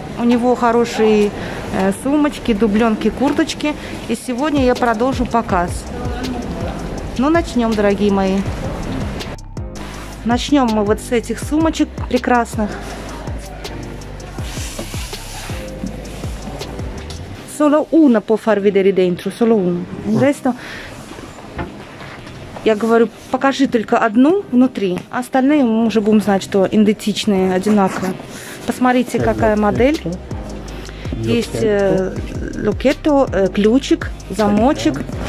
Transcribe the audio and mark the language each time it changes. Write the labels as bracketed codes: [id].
[ru] У него хорошие сумочки, дубленки, курточки. И сегодня я продолжу показ. Ну, начнем, дорогие мои. Начнем мы вот с этих сумочек прекрасных. [it] Solo una può farvi vedere dentro, solo una. [ru] Resto, я говорю, покажи только одну внутри, а остальные мы уже будем знать, что идентичные, одинаковые. Посмотрите, какая модель. Есть лукетто, ключик, замочек.